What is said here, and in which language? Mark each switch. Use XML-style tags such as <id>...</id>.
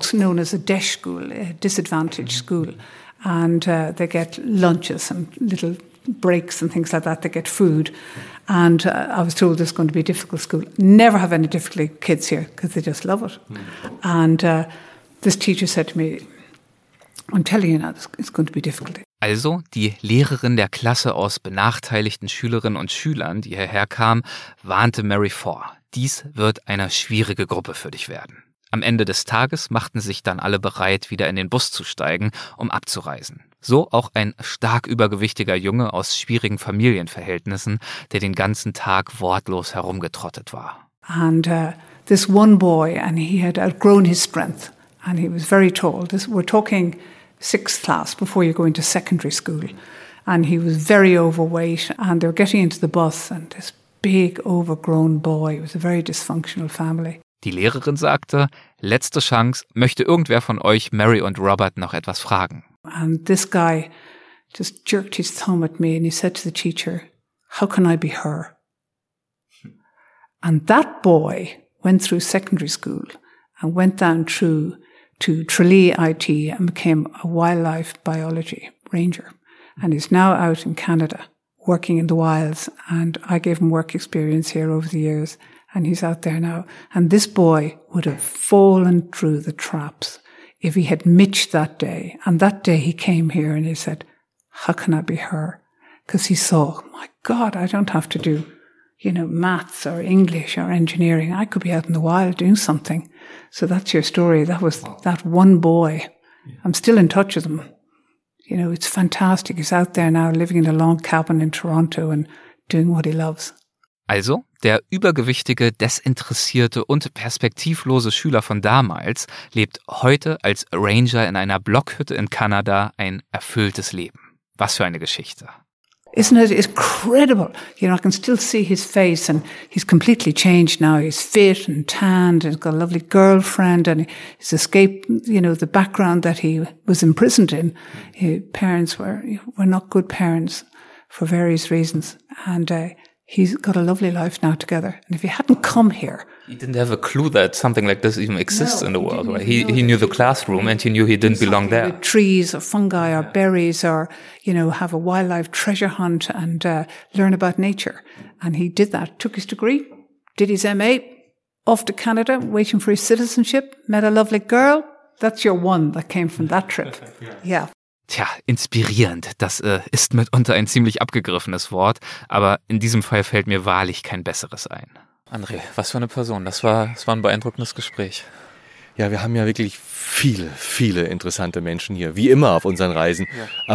<en>It's known as a DESH school, a disadvantaged school. And they get lunches and little breaks and things like that. They get food. And I was told this is going to be a difficult school. Never have any difficult kids here because they just love it. And this teacher said to me, I'm telling you now, it's going to be difficult.</en> <de>Also, die Lehrerin der Klasse aus benachteiligten Schülerinnen und Schülern, die hierher kam, warnte Mary vor. Dies wird eine schwierige Gruppe für dich werden. Am Ende des Tages machten sich dann alle bereit, wieder in den Bus zu steigen, um abzureisen. So auch ein stark übergewichtiger Junge aus schwierigen Familienverhältnissen, der den ganzen Tag wortlos herumgetrottet war.</de> <en>And this one boy, and he had outgrown his strength, and he was very tall. We're talking sixth class before you go into secondary school, and he was very overweight, and they were getting into the bus, and this big overgrown boy, it was a very dysfunctional family.</en> <de>Die Lehrerin sagte, letzte Chance, möchte irgendwer von euch Mary und Robert noch etwas fragen?</de> <en>And this guy just jerked his thumb at me, and he said to the teacher, how can I be her? And that boy went through secondary school and went down through to Tralee IT and became a wildlife biology ranger and is now out in Canada working in the wilds. And I gave him work experience here over the years and he's out there now. And this boy would have fallen through the traps if he had Mitch that day. And that day he came here and he said, how can I be her? Because he saw, my God, I don't have to do, you know, maths or English or engineering. I could be out in the wild doing something. So that's your story. That was that one boy. I'm still in touch with him. You know, it's fantastic. He's out there now living in a log cabin in Toronto and doing what he loves.</en> <de>Also, der übergewichtige, desinteressierte und perspektivlose Schüler von damals lebt heute als Ranger in einer Blockhütte in Kanada ein erfülltes Leben. Was für eine Geschichte.</de> <en>Isn't it incredible? You know, I can still see his face and he's completely changed now. He's fit and tanned and he's got a lovely girlfriend and he's escaped, you know, the background that he was imprisoned in. His parents were not good parents for various reasons. And he's got a lovely life now together. And if he hadn't come here... He didn't have a clue that something like this even exists in the world, right? He knew the classroom and he knew he didn't belong there. Trees or fungi or berries or, you know, have a wildlife treasure hunt and learn about nature. And he did that, took his degree, did his MA, off to Canada, waiting for his citizenship, met a lovely girl. That's your one that came from that trip. Yeah.</en> <de>Tja, inspirierend, das ist mitunter ein ziemlich abgegriffenes Wort, aber in diesem Fall fällt mir wahrlich kein besseres ein. André, was für eine Person, das war ein beeindruckendes Gespräch. Ja, wir haben ja wirklich viele, viele interessante Menschen hier, wie immer auf unseren Reisen. Ja.</de>